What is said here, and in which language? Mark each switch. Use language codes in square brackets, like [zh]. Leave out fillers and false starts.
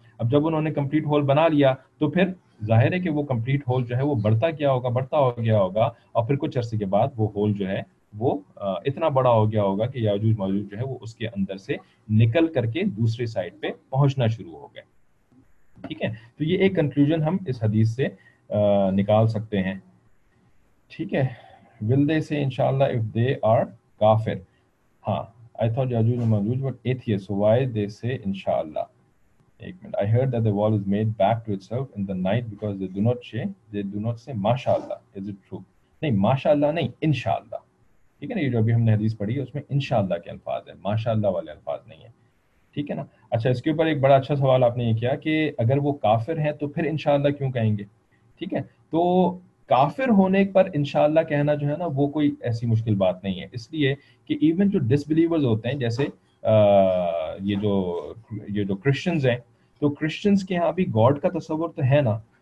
[ur] اب جب انہوں نے کمپلیٹ ہول بنا لیا تو پھر ظاہر ہے کہ وہ کمپلیٹ ہول جو ہے وہ بڑھتا گیا ہوگا اور پھر کچھ عرصے کے بعد وہ ہول جو ہے وہ اتنا بڑا ہو گیا ہوگا کہ یاجوج ماجوج جو ہے وہ اس کے اندر سے نکل کر کے دوسری سائڈ پہ پہنچنا شروع ہو گئے, ٹھیک ہے. تو یہ ایک کنکلوژن ہم اس حدیث سے نکال سکتے ہیں, ٹھیک ہے. [en] Will they say ان شاء اللہ اف دے آر کافر, ہاں, I thought یاجوج و ماجوج were atheists, so why they say inshallah. [ur] ایک minute, [en] I heard that the wall is made back to itself in the night because they do not say mashallah. Is it true? [ur] نہیں, mashallah نہیں, inshallah. ٹھیک ہے نا, یہ جو ابھی ہم نے حدیث پڑھی ہے اس میں انشاءاللہ کے الفاظ ہیں, ماشاءاللہ والے الفاظ نہیں ہیں, ٹھیک ہے نا. اچھا, اس کے اوپر ایک بڑا اچھا سوال آپ نے یہ کیا کہ اگر وہ کافر ہیں تو پھر انشاءاللہ کیوں کہیں گے, ٹھیک ہے. تو کافر ہونے پر انشاءاللہ کہنا جو ہے نا وہ کوئی ایسی مشکل بات نہیں ہے, اس لیے کہ ایون جو ڈس بلیورز ہوتے ہیں جیسے یہ جو کرسچنز ہیں تو کرسچنز کے ہاں بھی گاڈ کا تصور تو ہے نا.